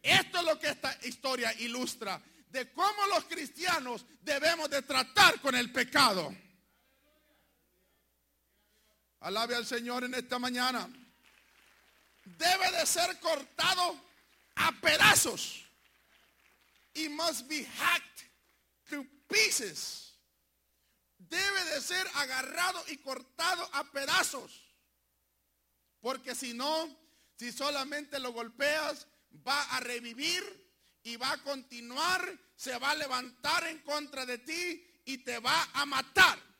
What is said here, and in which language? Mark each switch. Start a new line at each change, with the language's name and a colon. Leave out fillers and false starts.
Spanish: Esto es lo que esta historia ilustra, de cómo los cristianos debemos de tratar con el pecado. Alabe al Señor en esta mañana. Debe de ser cortado a pedazos.
English: It must be hacked to pieces.
Spanish: Debe de ser agarrado y cortado a pedazos. Porque si no, si solamente lo golpeas, va a revivir y va a continuar, se va a levantar en contra de ti y te va a matar.